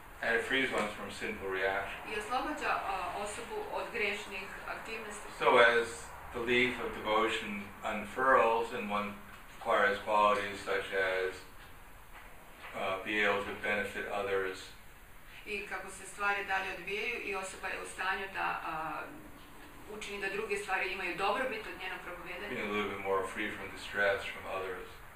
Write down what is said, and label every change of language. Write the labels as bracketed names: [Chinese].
[English] And it frees one from sinful reaction. [Croatian] I oslobađa osobu od grešnih aktivnosti. [English] So as the leaf of devotion unfurls and one acquires qualities such as be able to benefit others. [Croatian] I kako se stvari dalje odvijaju i osoba je u stanju da učini da druge stvari imaju dobrobit od njenog propovjedanja. [English] Being a little bit more free from distress from others.